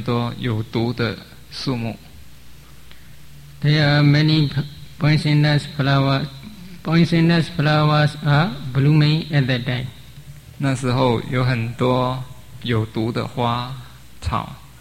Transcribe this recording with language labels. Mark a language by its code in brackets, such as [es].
[zh] 在那个森林中有很多有毒的树木。 [en] There are many poisonous flowers. Poisonous flowers are blooming at that time. [zh] 那时候有很多有毒的花草。